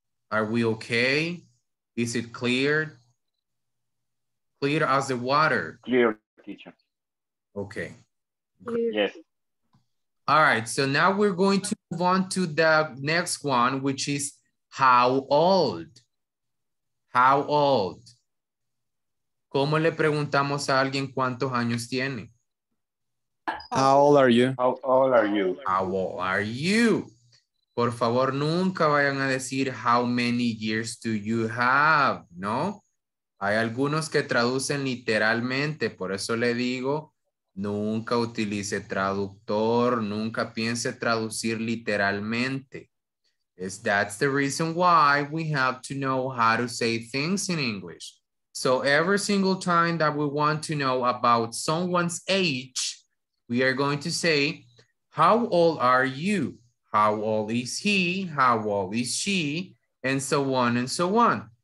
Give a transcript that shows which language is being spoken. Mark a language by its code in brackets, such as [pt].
[en] Are we okay? Is it clear? Clear as the water. Clear, teacher. Okay. Clear. Yes. All right, so now we're going to move on to the next one, which is how old? How old? [es] ¿Cómo le preguntamos a alguien cuántos años tiene? [en] How old are you? How old are you? How old are you? [es] Por favor, nunca vayan a decir [en] how many years do you have, [es] ¿no? Hay algunos que traducen literalmente, por eso le digo, nunca utilice traductor, nunca piense traducir literalmente. [en] That's the reason why we have to know how to say things in English. So every single time that we want to know about someone's age, we are going to say, how old are you? How old is he? How old is she? And so on and so on.